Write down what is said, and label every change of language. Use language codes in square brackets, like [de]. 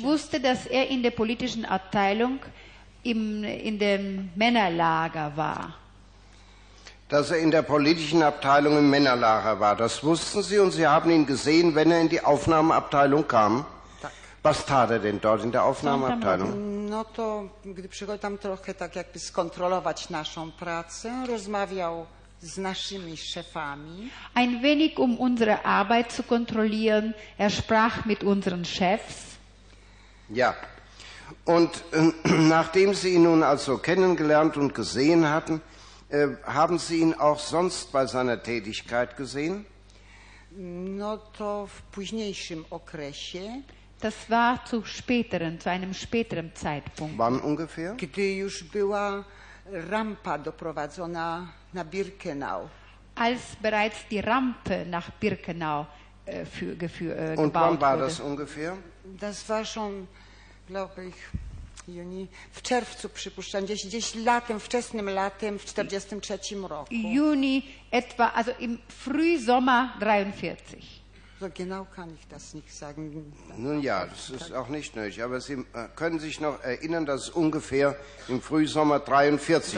[de] wusste, dass er in der politischen Abteilung in dem Männerlager war. Dass er in der politischen Abteilung im Männerlager war, das wussten Sie und Sie haben ihn gesehen, wenn er in die Aufnahmeabteilung kam. Was tat er denn dort in der Aufnahmeabteilung? [pl] No to, gdy przychodził tam trochę tak jakby skontrolować naszą pracę, rozmawiał z naszymi szefami. [de] Ein wenig um unsere Arbeit zu kontrollieren, er sprach mit unseren Chefs. Ja, und nachdem Sie ihn nun also kennengelernt und gesehen hatten, haben Sie ihn auch sonst bei seiner Tätigkeit gesehen? [pl] No to w późniejszym okresie. [de] Das war zu einem späteren Zeitpunkt. Wann ungefähr? [pl] Gdy już była rampa doprowadzona na Birkenau. [de] Als bereits die Rampe nach Birkenau gebaut wurde. Und wann war das ungefähr? Das war schon, glaube ich, Juni, [pl] w czerwcu przypuszczam, gdzieś latem, wczesnym latem w 43. roku. [de] Juni etwa, also im Frühsommer 43. So genau kann ich das nicht sagen. Nun ja, das ist auch nicht nötig. Aber Sie können sich noch erinnern, dass es ungefähr im Frühsommer 43